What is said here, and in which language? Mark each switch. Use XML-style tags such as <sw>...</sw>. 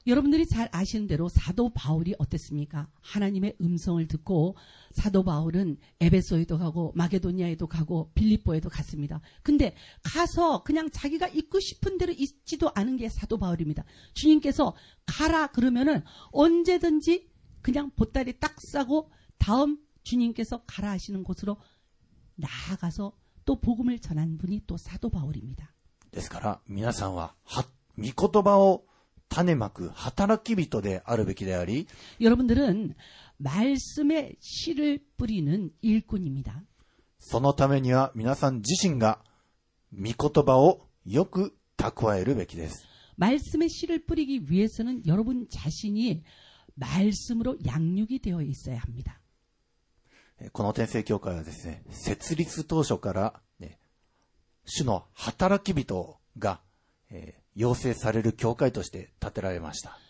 <ko>여러분들이잘아시는대로사도바울이어땠습니까하나님의음성을듣고사도바울은에베소에도가고마게도니아에도가고빌립보에도갔습니다근데가서그냥자기가있고싶은대로있지도않은게사도바울입니다주님께서가라그러면은언제든지그냥보따리딱싸고다음주님께서가라하시는곳으로나아가서또복음을전한분이또사도바울입니다</ko> <ja>ですから皆さんは御言葉を種まく働き人であるべきであり</ja> <ko>여러분들은말씀의씨를뿌리는일꾼입니다</ko> <ja>そのためには皆さん自身が御言葉をよく蓄えるべきです</ja> <ko>말씀의씨를뿌리기위해서는여러분자신이말씀으로양육이되어있어야합니다</ko> <ja>この天聖教会はですね、設立当初から、ね、主の働き人が、養成される教会として建てられました。</ja>